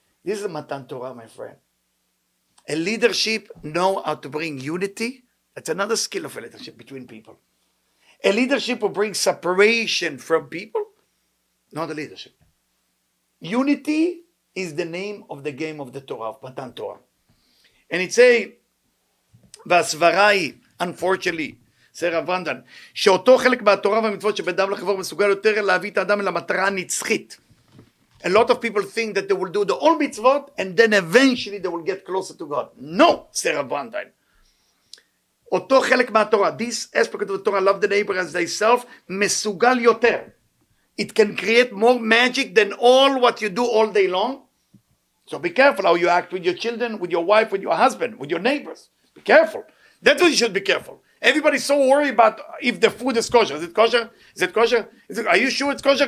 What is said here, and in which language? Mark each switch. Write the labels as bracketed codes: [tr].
[en] This is Matan Torah, my friend. A leadership know how to bring unity. That's another skill of a leadership between people. A leadership will bring separation from people. Not a leadership. Unity is the name of the game of the Torah, of Matan Torah. And it say, Vasvarai, unfortunately, say Rav Brandvan, [he] שאותו חלק מהתורה והמצוות שבדם לחבר מסוגל יותר להביא את האדם למטרה הנצחית. [en] A lot of people think that they will do the all mitzvot and then eventually they will get closer to God. No, say Rav Brandvan. [he] אותו חלק מהתורה, [en] this aspect of the Torah, love the neighbor as thyself, [he] מסוגל יותר. [en] It can create more magic than all what you do all day long. So be careful how you act with your children, with your wife, with your husband, with your neighbors. Be careful. That's what you should be careful. Everybody's so worried about if the food is kosher. Is it kosher? Is it kosher? Are you sure it's kosher?